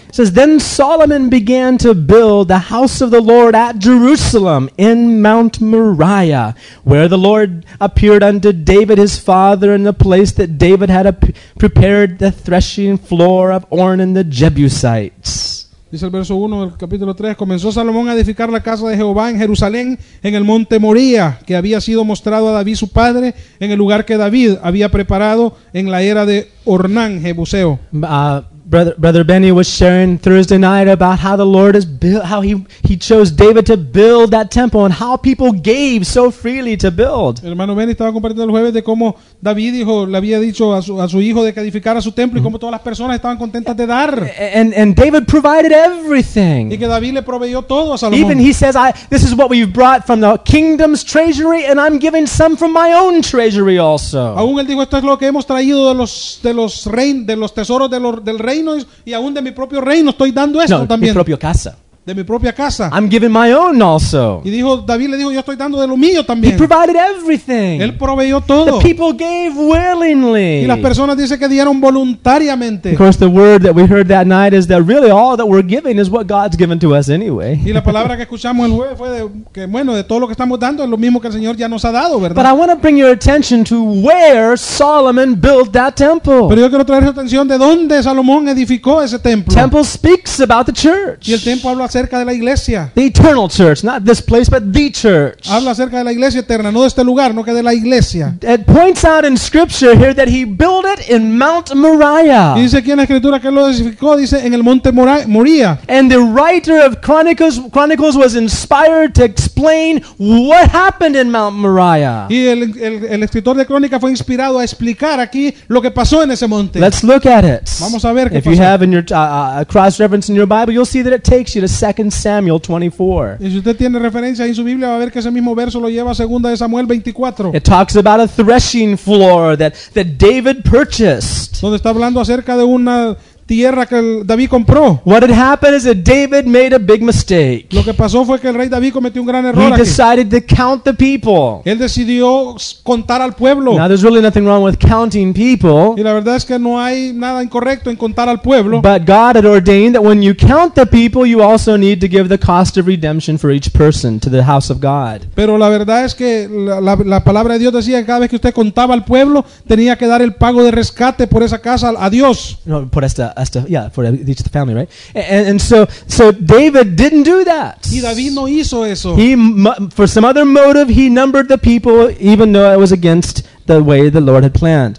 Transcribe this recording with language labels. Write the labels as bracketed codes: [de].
[en] It says, then Solomon began to build the house of the Lord at Jerusalem in Mount Moriah, where the Lord appeared unto David his father in the place that David had prepared the threshing floor of Ornan the Jebusites. [es] Dice el verso 1 del capítulo 3. Comenzó Salomón a edificar la casa de Jehová en Jerusalén, en el monte Moría, que había sido mostrado a David su padre, en el lugar que David había preparado en la era de Ornán Jebuseo. [en] Brother Benny was sharing Thursday night about how the Lord has built, how he chose David to build that temple and how people gave so freely to build. [es] Hermano Benny estaba compartiendo el jueves de cómo David dijo, le había dicho a su hijo de que edificara su templo y cómo todas las personas estaban contentas de dar. [en] And David provided everything. [es] Y que David le proveyó todo a Salomón. [en] Even he says, this is what we've brought from the kingdom's treasury and I'm giving some from my own treasury also. [es] Aún él dijo, esto es lo que hemos traído de los tesoros del reino y aún de mi propio reino estoy dando esto también. Mi propia casa. De mi propia casa. [en] I'm giving my own also. [es] Y dijo, David le dijo, yo estoy dando de lo mío también. [en] He provided everything. [es] Él proveyó todo. [en] The people gave willingly. [es] Y las personas dicen que dieron voluntariamente. [en] Of course, the word that we heard that night is that really all that we're giving is what God's given to us anyway. [es] Y la palabra que escuchamos el jueves fue de todo lo que estamos dando es lo mismo que el Señor ya nos ha dado, ¿verdad? [en] But I want to bring your attention to where Solomon built that temple. [es] Pero yo quiero traer su atención de dónde Salomón edificó ese templo. [en] Temple speaks about the church. [es] Y el templo habla acerca de la iglesia. [en] The eternal church, not this place, but the church. [es] Habla acerca de la iglesia eterna, no de este lugar, no que de la iglesia. [en] It points out in scripture here that he built it in Mount Moriah. [es] Y dice aquí en la escritura que él lo edificó, dice en el monte Moría. [en] And the writer of Chronicles was inspired to explain what happened in Mount Moriah. [es] Y el escritor de Crónicas fue inspirado a explicar aquí lo que pasó en ese monte. [en] Let's look at it. [es] Vamos a ver qué pasó. [en] If you have in your cross reference in your Bible, you'll see that it takes you to 2 Samuel 24. [es] Y si usted tiene referencia en su Biblia, va a ver que ese mismo verso lo lleva a 2 Samuel 24. [en] It talks about a threshing floor that David purchased. [es] Donde está hablando acerca de una tierra que David compró. [en] What had happened is that David made a big mistake. [es] Lo que pasó fue que el rey David cometió un gran error. [en] He decided to count the people. [es] Él decidió contar al pueblo. [en] Now there's really nothing wrong with counting people. [es] Y la verdad es que no hay nada incorrecto en contar al pueblo. [en] But God had ordained that when you count the people, you also need to give the cost of redemption for each person to the house of God. [es] Pero la verdad es que la palabra de Dios decía que cada vez que usted contaba al pueblo, tenía que dar el pago de rescate por esa casa a Dios. No, por esta [en] us to, yeah, for each of the family, right? And so David didn't do that. [es] Y David no hizo eso. [en] He, for some other motive, he numbered the people, even though it was against the way the Lord had planned.